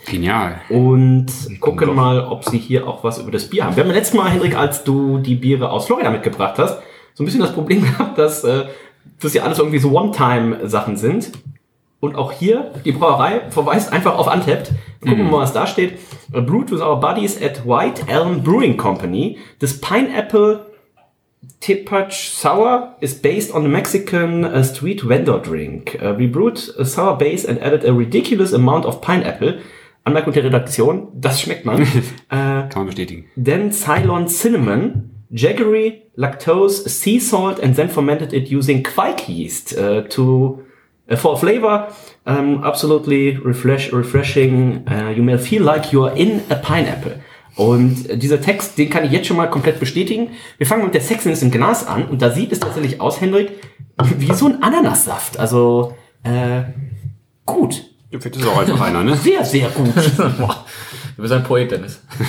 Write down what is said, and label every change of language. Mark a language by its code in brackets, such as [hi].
[de] Genial. Und gucken mal, ob sie hier auch was über das Bier haben. Wir haben letztes Mal, Henrik, als du die Biere aus Florida mitgebracht hast, so ein bisschen das Problem gehabt, dass. Das ja alles irgendwie so One-Time-Sachen sind. Und auch hier, die Brauerei verweist einfach auf Untappd. Gucken wir mal, was da steht. [en] Brewed with our buddies at White Elm Brewing Company. This Pineapple Tipach Sour is based on a Mexican street vendor drink. We brewed a sour base and added a ridiculous amount of pineapple. [de] Anmerkung der Redaktion, das schmeckt man. Kann man bestätigen. [en] Then Ceylon Cinnamon. Jaggery, Lactose, Sea Salt and then fermented it using Quake Yeast for flavor. Absolutely refreshing. You may feel like you're in a pineapple. [de] Und dieser Text, den kann ich jetzt schon mal komplett bestätigen. Wir fangen mit der Sexiness im Glas an und da sieht es tatsächlich aus, Henrik, wie so ein Ananassaft. Also, gut. Du findest auch einfach einer, ne? Sehr, sehr gut. Du bist ein Poet, Dennis.